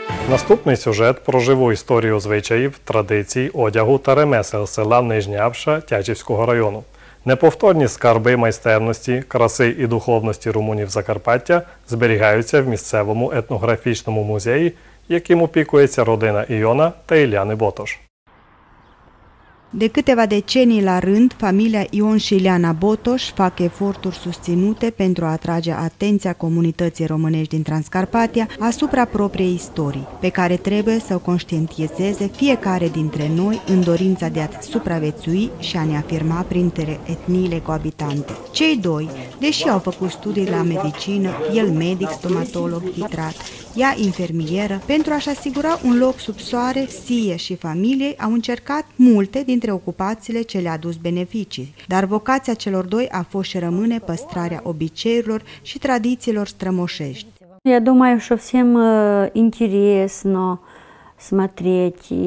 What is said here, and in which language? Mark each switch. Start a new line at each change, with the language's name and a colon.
Ukrainian: Наступний сюжет про живу історію звичаїв, традицій, одягу та ремесел села Нижнявша Тячівського району. Неповторні скарби майстерності, краси і духовності румунів Закарпаття зберігаються в місцевому етнографічному музеї, яким опікується родина Іона та Іляни Ботош.
Romanian: De câteva decenii la rând, familia Ion și Ileana Botoș fac eforturi susținute pentru a atrage atenția comunității românești din Transcarpatia asupra propriei istorii, pe care trebuie să o conștientizeze fiecare dintre noi în dorința de a supraviețui și a ne afirma printre etniile coabitante. Cei doi, deși au făcut studii la medicină, el medic, stomatolog, hitrat, ea infermieră, pentru a-și asigura un loc sub soare, sie și familiei, au încercat multe dintre ocupațiile ce le-a dus beneficii. Dar vocația celor doi a fost și rămâne păstrarea obiceiurilor și tradițiilor strămoșești.
Ukrainian: Я думаю, що всім інтересно смотреть.